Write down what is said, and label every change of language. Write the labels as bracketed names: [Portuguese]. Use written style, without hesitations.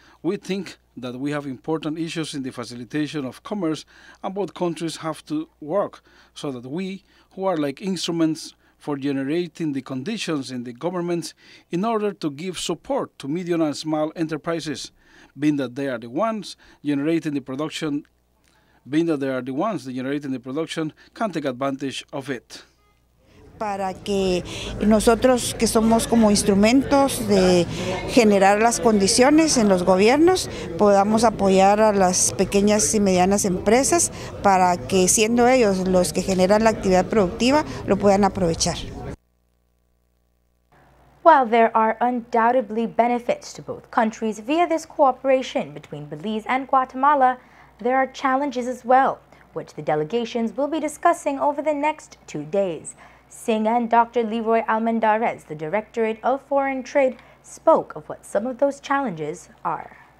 [English] We think that we have important issues in the facilitation of commerce, and both countries have to work so that we, who are like instruments for generating the conditions in the governments in order to give support to medium and small enterprises, being that they are the ones generating the production, being that they are the ones generating the production, can take advantage of it. [Spanish] Para que nosotros, que somos como instrumentos de generar las condiciones en los gobiernos, podamos apoyar a las pequeñas y medianas empresas para que siendo ellos los que generan la actividad productiva, lo puedan aprovechar. [English] While there are undoubtedly benefits to both countries via this cooperation between Belize and Guatemala, there are challenges as well, which the delegations will be discussing over the next 2 days. Singh and Dr. Leroy Almendarez, the Directorate of Foreign Trade, spoke of what some of those challenges are.